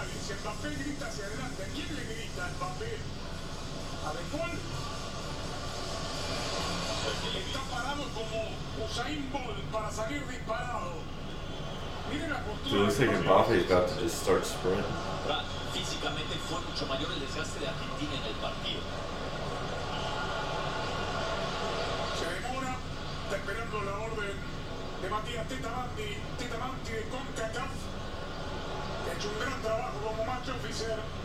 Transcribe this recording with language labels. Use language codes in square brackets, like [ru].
[es] Si Mbappé grita hacia adelante, ¿a quién le grita Mbappé? ¿A De Paul? Está parado como Usain Bolt para salir disparado. Miren la postura. [en] It looks like Mbappe's about to just start sprinting. [es] Físicamente fue mucho mayor el desgaste de Argentina en el partido. Se demora, está esperando la orden de Matías Tetamanti de CONCACAF. Ha hecho un gran trabajo como match officer.